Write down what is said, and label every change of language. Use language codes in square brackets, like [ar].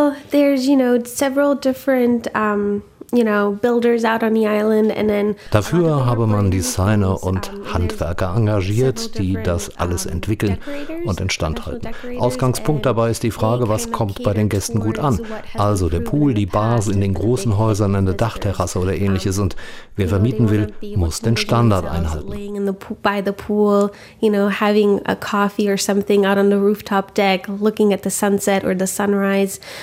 [en] There's, you know, several different, you know, builders out on the island and then [de] dafür habe man Designer und Handwerker engagiert, die das alles entwickeln und instand halten. Ausgangspunkt dabei ist die Frage, was kommt bei den Gästen gut an? Also der Pool, die Bars in den großen Häusern, eine Dachterrasse oder ähnliches, und wer vermieten will, muss den Standard einhalten. [en] By the pool, you know, having a coffee or something out on the rooftop deck, looking at the sunset or the sunrise.